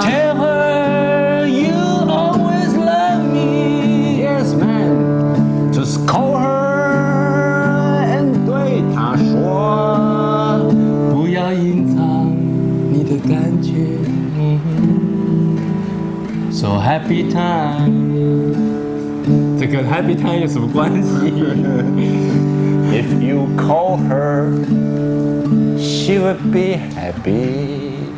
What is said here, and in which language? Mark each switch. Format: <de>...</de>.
<en>tell her you always love me. Yes, man, just call her and</en> <zh>对她说，不要隐藏你的感觉。</zh> <en>So happy time，</en> <zh>这跟</zh> <en>happy time</en> <zh>有什么关系？</zh> <en>If you call her, she would be happy。</en>